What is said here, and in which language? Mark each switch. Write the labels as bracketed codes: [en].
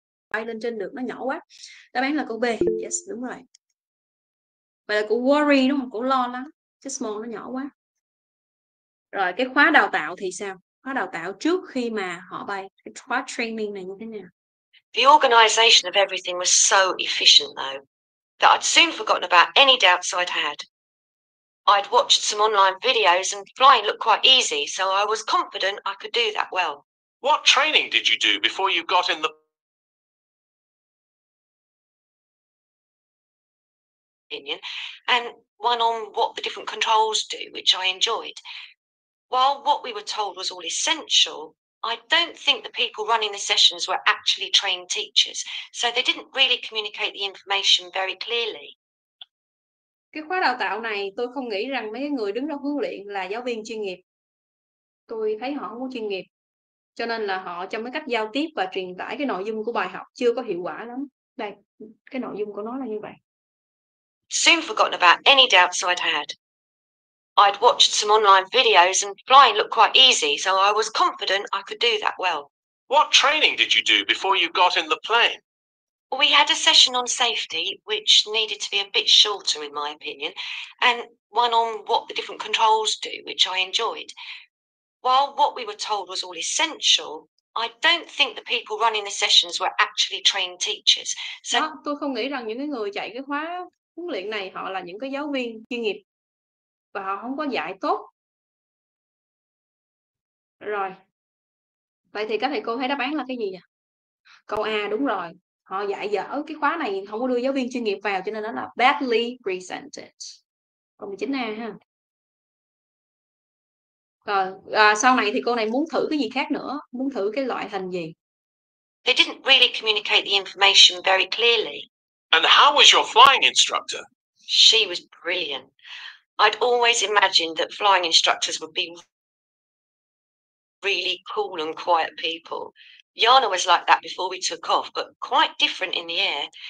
[vi] bay lên trên được, nó nhỏ quá. Đáp án là câu B. Yes, đúng rồi. Vậy là cô worry đúng không? Cô lo lắm. Cái small nó nhỏ quá. Rồi cái khóa đào tạo thì sao? Khóa đào tạo trước khi mà họ bay, cái khóa training này như thế nào? [en] The organization of everything was so efficient though that I'd soon forgotten about any doubts I'd had. I'd watched some online videos and flying looked quite easy, so I was confident I could do that well. What training did you do before you got in the... opinion, and one on what the different controls do, which I enjoyed. While what we were told was all essential, I don't think the people running the sessions were actually trained teachers, so they didn't really communicate the information very clearly. [vi] Cái khóa đào tạo này tôi không nghĩ rằng mấy người đứng ra huấn luyện là giáo viên chuyên nghiệp. Tôi thấy họ không có chuyên nghiệp, cho nên là họ trong cái cách giao tiếp và truyền tải cái nội dung của bài học chưa có hiệu quả lắm. Đây, cái nội dung của nó là như vậy. [en] Soon forgotten about any doubts I'd had. I'd watched some online videos and flying looked quite easy, so I was confident I could do that well. What training did you do before you got in the plane? We had a session on safety, which needed to be a bit shorter in my opinion, and one on what the different controls do, which I enjoyed. While what we were told was all essential, I don't think the people running the sessions were actually trained teachers. So [vi] đó, tôi không nghĩ rằng những cái người chạy cái khóa huấn luyện này họ là những cái giáo viên chuyên nghiệp và họ không có dạy tốt. Rồi. Vậy thì các thầy cô thấy đáp án là cái gì nhỉ? Câu A đúng rồi. Họ dạy dở, cái khóa này không có đưa giáo viên chuyên nghiệp vào cho nên nó là [en] badly presented. [vi] Còn 19A ha. Rồi, sau này thì cô này muốn thử cái gì khác nữa, muốn thử cái loại hình gì? [en] They didn't really communicate the information very clearly. And how was your flying instructor? She was brilliant. I'd always imagined that flying instructors would be really cool and quiet people. Yana was like that before we took off, but quite different in the air.